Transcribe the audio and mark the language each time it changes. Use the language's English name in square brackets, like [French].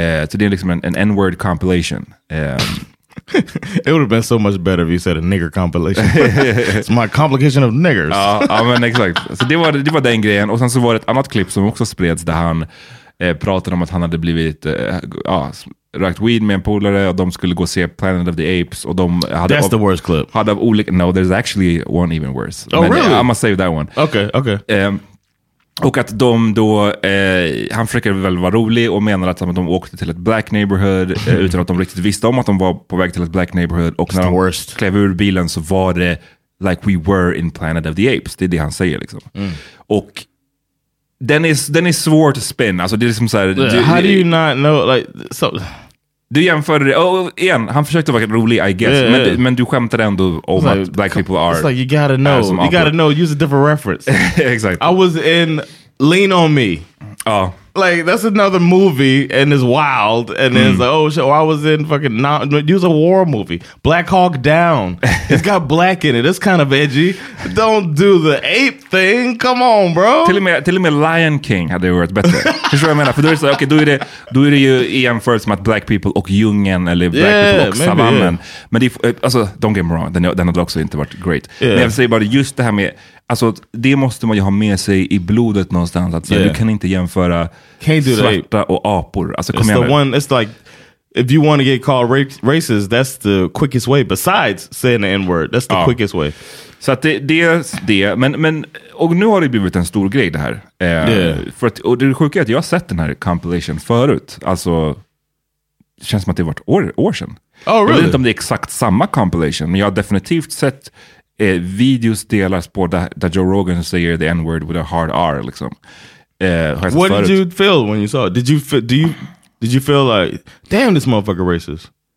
[Swedish] Så det är liksom en N-word compilation. [English] It would have been so much better if you said a nigger compilation. It's my complication of niggers. [Swedish] Ja, men exakt. Så det var den grejen. Och sen så var det ett annat klipp som också spreds där han pratade om att han hade blivit... rökt weed med en polare, och de skulle gå se Planet of the Apes, och de hade... [English] That's the worst clip. [Swedish] Hade olika... [English] No, there's actually one even worse. Oh, [Swedish] men [English] really? I must save that one. Okay. [Swedish] Och att de då... han försöker väl vara rolig och menar att de åkte till ett black neighborhood utan att de riktigt visste om att de var på väg till ett black neighborhood. Och [English] it's [Swedish] när [English] the worst. [Swedish] Klev ur bilen så var det [English] like we were in Planet of the Apes. [Swedish] Det är det han säger, liksom. Och... Den är svår att spin. Alltså det är som så här, [English] how do you not know, like, so... [Swedish] Du jämförde det. Och igen, han försökte vara rolig, [English] I guess. [Swedish] Men du skämtade ändå om like, att [English] black people are... It's like, you gotta know. You gotta know. Use a different reference. Exactly. I was in Lean on Me. [Swedish] Ja. [English] Like, that's another movie, and it's wild, and it's like, oh, shit, well, I was in fucking, not, it was a war movie. Black Hawk Down. It's got black in it. It's kind of edgy. Don't do the ape thing. Come on, bro. [Swedish] Till me Lion King hade varit bättre. Förstår du vad jag menar? För då är det så, okej, då är det ju jämfört med att Black People och Jungen, eller Black People och Savannen. [English] Yeah. [Swedish] Men det, alltså, [English] don't get me wrong, [Swedish] den hade också inte varit [English] great. Yeah. [Swedish] Men jag vill säga bara, just det här med, alltså, det måste man ju ha med sig i blodet någonstans. Alltså, [English] yeah. [Swedish] Du kan inte jämföra svarta och apor. Alltså, [English] it's the one, it's like, if you want to get called racist, that's the quickest way, besides saying the N-word. That's the quickest way. [Swedish] Så att det men och nu har det blivit en stor grej det här. För att, och det sjuka är att jag har sett den här compilation förut. Alltså, det känns som att det varit år sedan. [English] Oh, really? [Swedish] Jag vet inte om det är exakt samma compilation, men jag har definitivt sett videos delas på där Joe Rogan säger the N-word [English] with a hard R, [Swedish] liksom. [English] What did you feel when you saw it? Did you feel like, damn, this motherfucker racist?